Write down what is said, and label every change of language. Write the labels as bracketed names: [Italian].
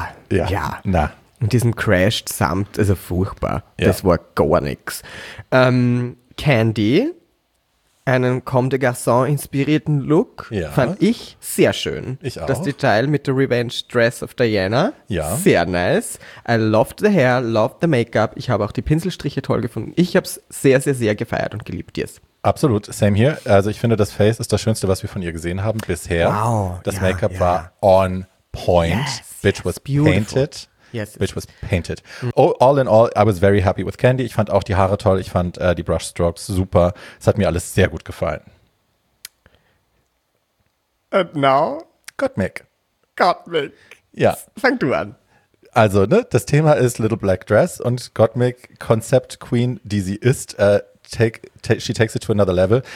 [German] ja. Und diesem Crashed Samt, also furchtbar, das war gar nichts. Candy, einen Comme des Garçons inspirierten Look, fand ich sehr schön. Ich auch. Das Detail mit der Revenge Dress of Diana, sehr [English] nice. I loved the hair, loved the Make-up. [German] Ich habe auch die Pinselstriche toll gefunden. Ich habe es sehr, sehr, sehr gefeiert und geliebt, yes. [English] Absolut, same here. [German] Also ich finde, das Face ist das Schönste, was wir von ihr gesehen haben bisher. Wow. Das Make-up war [English] on point. Yes, bitch was beautiful. Painted. Yes. Which was painted. Oh, all in all, I was very happy with Candy. [German] Ich fand auch die Haare toll. Ich fand die Brushstrokes super. Es hat mir alles sehr gut gefallen. [English] And now? Gottmik. [German] Ja. Fang du an. Also, ne, das Thema ist Little Black Dress und Gottmik, Concept Queen, die sie ist, [English] she takes it to another level.